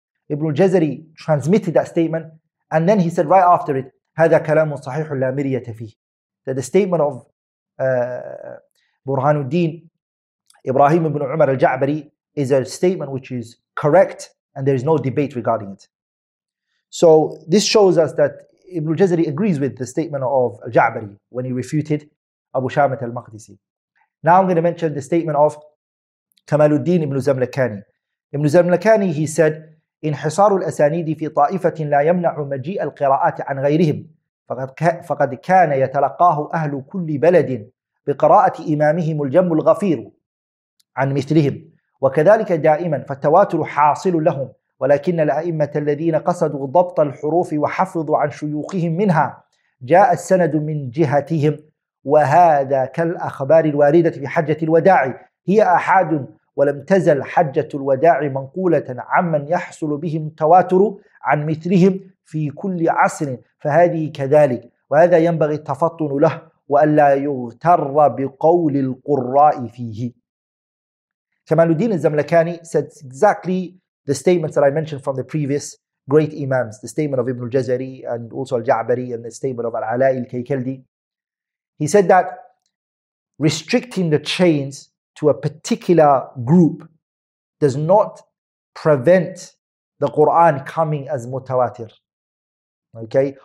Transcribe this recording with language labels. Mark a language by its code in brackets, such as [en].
[en] Ibn al-Jazari transmitted that statement, and then he said right after it, [ar] هَذَا كَلَامُ صَحِيحُ لَا مِرْيَةَ فِيهِ, [en] that the statement of Burhanuddin Ibrahim ibn Umar al-Ja'bari is a statement which is correct and there is no debate regarding it. So this shows us that Ibn al-Jazari agrees with the statement of al-Ja'bari when he refuted Abu Shamit al-Maqdisi. Now I'm going to mention the statement of Kamaluddin ibn Zamlakani. Ibn Zamlakani, he said, [ar] انحصار الأسانيد في طائفة لا يمنع مجيء القراءات عن غيرهم فقد كان يتلقاه أهل كل بلد بقراءة إمامهم الجم الغفير عن مثلهم وكذلك دائما فالتواتر حاصل لهم ولكن الأئمة الذين قصدوا ضبط الحروف وحفظوا عن شيوخهم منها جاء السند من جهتهم وهذا كالأخبار الواردة في حجة الوداع هي أحد ولم تزل حجة الوداع منقولة عمن يحصل بهم التواتر عن مثلهم في كل عصر فهذه كذلك وهذا ينبغي التفطن له وألا يغتر بقول القراء فيه. [en] Kamaluddin al-Zamlakani said exactly the statements that I mentioned from the previous great imams, the statement of Ibn al-Jazari and also al-Ja'bari and the statement of al-Ala'i al-Kaykaldi. He said that restricting the chains to a particular group does not prevent the Quran coming as mutawatir. Okay?